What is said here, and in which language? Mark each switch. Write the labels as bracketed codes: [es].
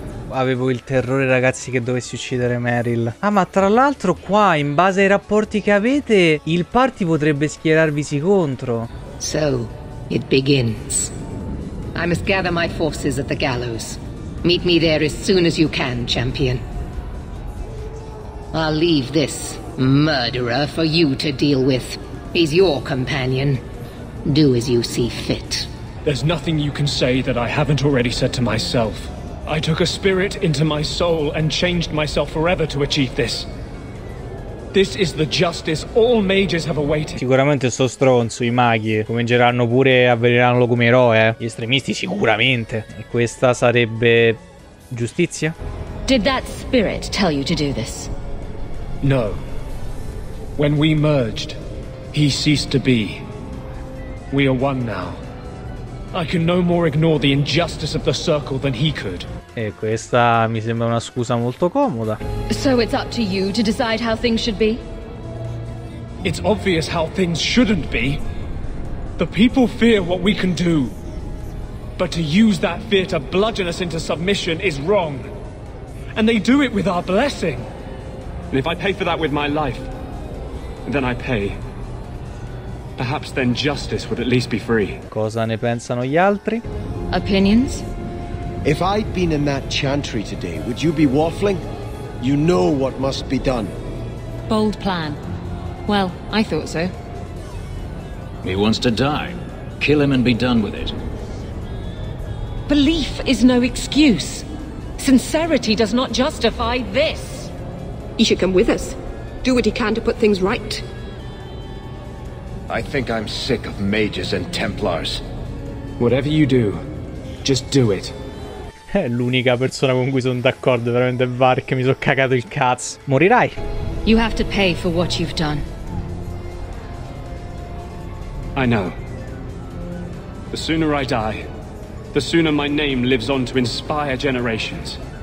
[it] avevo il terrore, ragazzi, che dovessi uccidere Meryl. Ah, ma tra l'altro qua, in base ai rapporti che avete, il party potrebbe schierarvisi contro. [en] So, it begins. I must gather my forces at the gallows. Meet me there as soon as you can, champion. I'll leave this murderer for you to deal with. He's your companion. Do as you see fit. There's nothing you can say that I haven't already said to myself. I took a spirit into my soul and changed myself forever to achieve this. This is the justice all mages have awaited. [it] Sicuramente sto stronzo, i maghi cominceranno pure a venerarlo come eroe, gli estremisti sicuramente. E questa sarebbe giustizia? [en] Did that spirit tell you to do this? No. When we merged, he ceased to be. We are one now. I can no more ignore the injustice of the circle than he could. [it] E questa mi sembra una scusa molto comoda. [en] So it's up to you to decide how things should be? It's obvious how things shouldn't be. The people fear what we can do. But to use that fear to bludgeon us into submission is wrong. And they do it with our blessing. And if I pay for that with my life, then I pay. Perhaps then justice would at least be free. [it] Cosa ne pensano gli altri? [en] Opinions? If I'd been in that chantry today, would you be waffling? You know what must be done. Bold plan. Well, I thought so. He wants to die. Kill him and be done with it. Belief is no excuse. Sincerity does not justify this. He should come with us. Do what he can to put things right. I think I'm sick of mages and templars. Whatever you do, just do it. [it] È l'unica persona con cui sono d'accordo, veramente Vark, mi sono cagato il cazzo. Morirai. [en] You have to pay for what you've done. I know. The sooner I die, the sooner my name lives on to inspire generations.